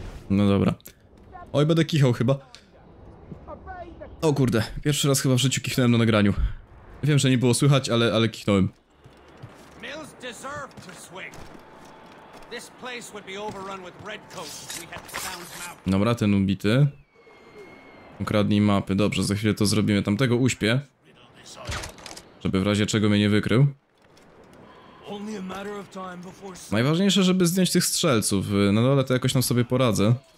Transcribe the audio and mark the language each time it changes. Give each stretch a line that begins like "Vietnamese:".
Polish: No dobra. Oj, będę kichał chyba. O kurde, pierwszy raz chyba w życiu kichnąłem na nagraniu. Wiem, że nie było słychać, ale kichnąłem.
English: Mills deserved to swing. This place would be overrun with redcoats if we had the sound's mouth.
Polish: Dobra, ten ubity. Ukradnij mapy. Dobrze, za chwilę to zrobimy. Tamtego uśpię. Żeby w razie czego mnie nie wykrył. Najważniejsze, żeby zdjąć tych strzelców. Na dole to jakoś tam sobie poradzę.